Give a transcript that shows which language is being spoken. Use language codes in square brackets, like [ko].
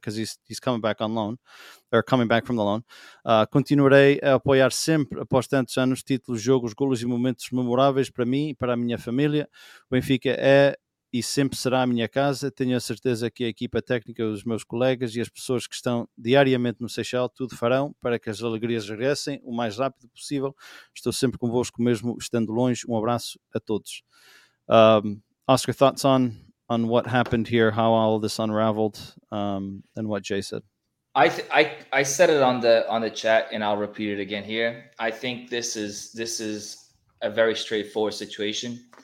[en] Because he's coming back on loan, or coming back from the loan. [pt] Continuarei a apoiar sempre, após tantos anos, títulos, jogos, golos e momentos memoráveis para mim e para a minha família. O Benfica é e sempre será a minha casa. Tenho a certeza que a equipa técnica, os meus colegas e as pessoas que estão diariamente no Seychelles, tudo farão para que as alegrias regressem o mais rápido possível. Estou sempre convosco, mesmo estando longe. Um abraço a todos. [en] Oscar, thoughts on what happened here, how all this unraveled, and what Jay said. I said it on the chat, and I'll repeat it again here. I think this is a very straightforward situation.